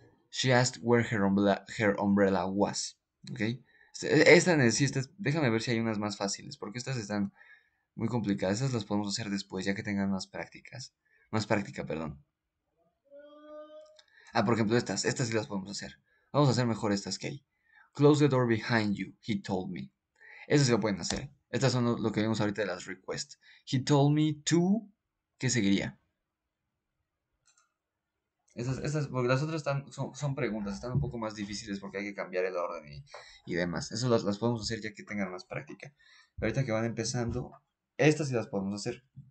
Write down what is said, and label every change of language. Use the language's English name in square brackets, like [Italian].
[English] She asked where her umbrella was. ¿Okay? [Spanish] Esta necesita, déjame ver si hay unas más fáciles, porque estas están muy complicadas. Estas las podemos hacer después, ya que tengan más prácticas. Más práctica, perdón. Ah, por ejemplo, estas sí las podemos hacer. Vamos a hacer mejor estas que hay. [English] Close the door behind you, he told me. [Spanish] Eso se lo pueden hacer. Estas son lo que vimos ahorita de las requests. [English] He told me to. [Spanish] ¿Qué seguiría? Porque las otras son preguntas. Están un poco más difíciles porque hay que cambiar el orden y demás. Eso las podemos hacer ya que tengan más práctica. Ahorita que van empezando, estas sí las podemos hacer.